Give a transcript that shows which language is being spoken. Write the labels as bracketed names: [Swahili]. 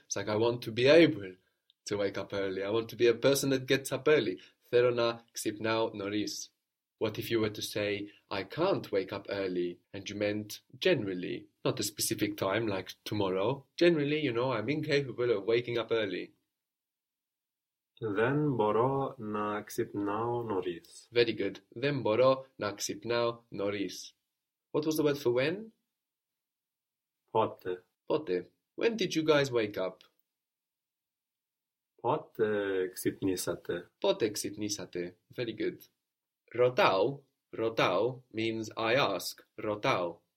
[English] It's like, I want to be able to wake up early. I want to be a person that gets up early. [Greek] Θέλω να ξυπνάω νωρίς. [English] What if you were to say, I can't wake up early, and you meant generally, not a specific time like tomorrow. Generally, I'm incapable of waking up early. [Greek] Δεν μπορώ να ξυπνάω νωρίς. [English] Very good. [Greek] Δεν μπορώ να ξυπνάω νωρίς. [English] What was the word for when? [Greek] Πότε. Πότε. [English] When did you guys wake up? [Greek] Pote Potexitnisate. [English] Very good. Rotau means I ask. Rotau.